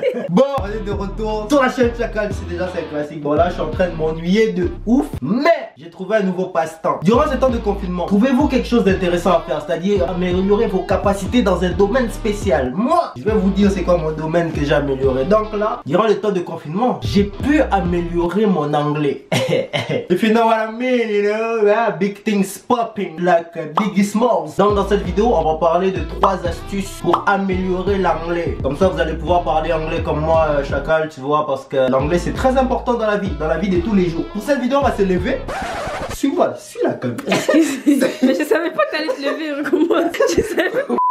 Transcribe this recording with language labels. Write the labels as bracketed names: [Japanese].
[French] Bon, on est de retour sur la chaîne Chacal, c'est déjà un classique. Bon là, je suis en train de m'ennuyer de ouf, mais j'ai trouvé un nouveau passe-temps. Durant ce temps de confinement, trouvez-vous quelque chose d'intéressant à faire, c'est-à-dire améliorer vos capacités dans un domaine spécial. Moi, je vais vous dire c'est quoi mon domaine que j'ai amélioré. Donc là, durant le temps de confinement, j'ai pu améliorer mon anglais. [English] If you know what I mean. You know, big things popping like Biggie Smalls. [French] Donc dans cette vidéo, on va parler de 3 astuces pour améliorer l'anglais. Comme ça, vous allez pouvoir parler anglais comme moi, Chacal, tu vois, parce que l'anglais c'est très important dans la vie, de tous les jours. Pour cette vidéo, on va se lever. Suis la caméra. Mais je savais pas que t'allais te lever, comment je savais pas.